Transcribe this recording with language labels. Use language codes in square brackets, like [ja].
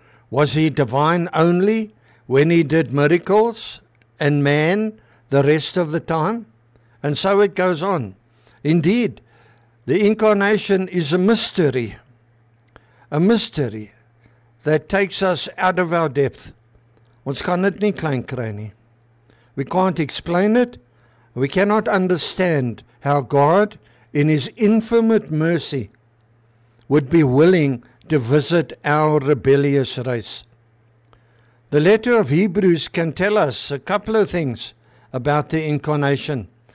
[en] Was he divine only when he did miracles and man the rest of the time? And so it goes on. Indeed, the Incarnation is a mystery that takes us out of our depth. [af] Ons kan dit nie klein kry nie. [en] We can't explain it. We cannot understand how God, in his infinite mercy, would be willing to visit our rebellious race. The letter of Hebrews can tell us a couple of things about the Incarnation.